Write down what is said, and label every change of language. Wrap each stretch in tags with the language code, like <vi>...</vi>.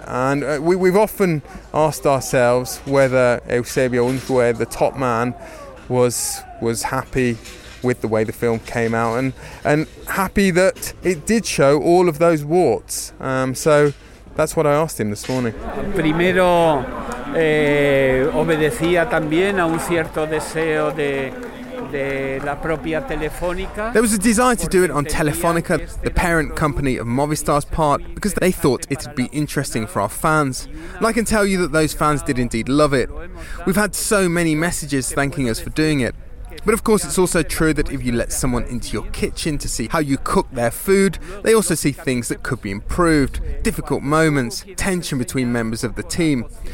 <en>And we've often asked ourselves whether Eusebio Unzue, the top man, was happy with the way the film came out, and happy that it did show all of those warts. So that's what I asked him this morning.</en> <es>Primero, obedecía también a un cierto deseo de la propia Telefónica.</es> <en>There was a desire to do it on Telefónica, the parent company of Movistar's part, because they thought it'd be interesting for our fans. And I can tell you that those fans did indeed love it. We've had so many messages thanking us for doing it. But of course, it's also true that if you let someone into your kitchen to see how you cook their food, they also see things that could be improved, difficult moments, tension between members of the team.</en>